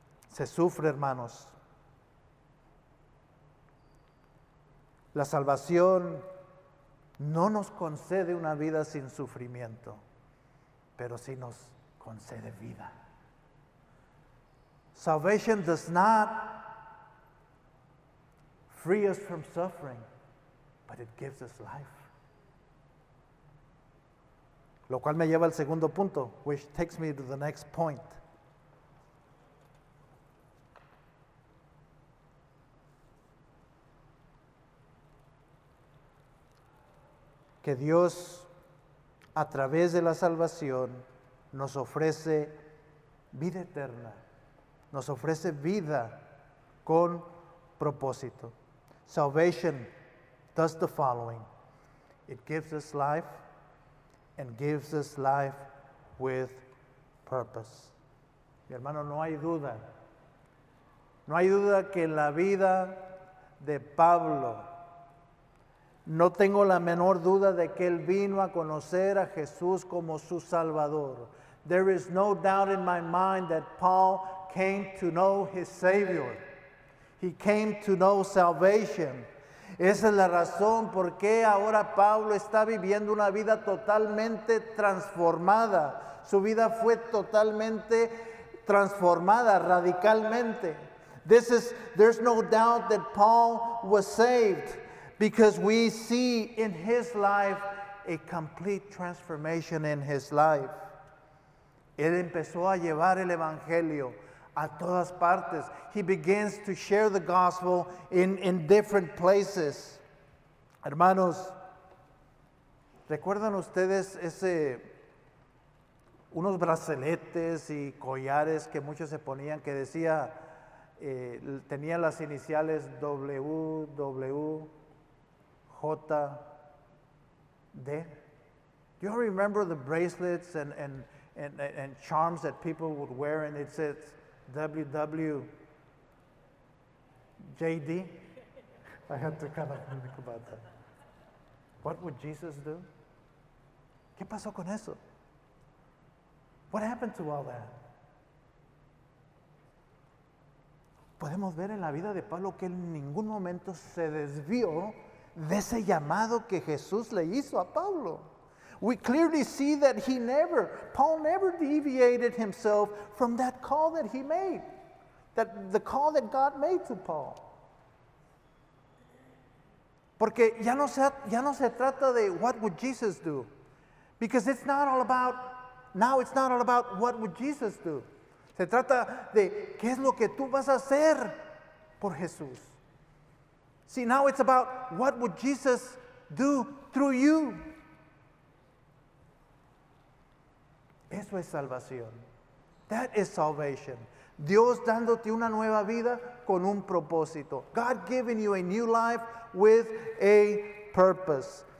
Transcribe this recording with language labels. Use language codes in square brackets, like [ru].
[es] Se sufre, hermanos. La salvación no nos concede una vida sin sufrimiento, pero sí nos concede vida. [en] Salvation does not free us from suffering, but it gives us life. [es] Lo cual me lleva al segundo punto, [en] which takes me to the next point. [es] que Dios, a través de la salvación, nos ofrece vida eterna, nos ofrece vida con propósito. [en] Salvation does the following. It gives us life and gives us life with purpose. [es] Mi hermano, no hay duda. No hay duda que la vida de Pablo, no tengo la menor duda de que él vino a conocer a Jesús como su Salvador. [en] There is no doubt in my mind that Paul came to know his Savior. He came to know salvation. [es] Esa es la razón por qué ahora Pablo está viviendo una vida totalmente transformada. Su vida fue totalmente transformada radicalmente. [en] There's no doubt that Paul was saved because we see in his life a complete transformation in his life. [es] Él empezó a llevar el evangelio a todas partes. [en] He begins to share the gospel in different places. [es] Hermanos, ¿recuerdan ustedes ese unos braceletes y collares que muchos se ponían que decía tenía las iniciales WWJD? [en] Do you remember the bracelets and charms that people would wear and it said WWJD? I had to kind of think about that. What would Jesus do? [es] ¿Qué pasó con eso? [en] What happened to all that? [es] Podemos ver en la vida de Pablo que él en ningún momento se desvió de ese llamado que Jesús le hizo a Pablo. [en] We clearly see that Paul never deviated himself from that call that he made, that the call that God made to Paul. [es] Porque ya no se trata de [en] what would Jesus do? Because it's not all about, now it's not all about what would Jesus do. [es] Se trata de qué es lo que tú vas a hacer por Jesús. [en] See, now it's about what would Jesus do through you. [es] Eso es salvación. [en] That is salvation. [es] Dios dándote una nueva vida con un propósito. [en] God giving you a new life with a purpose.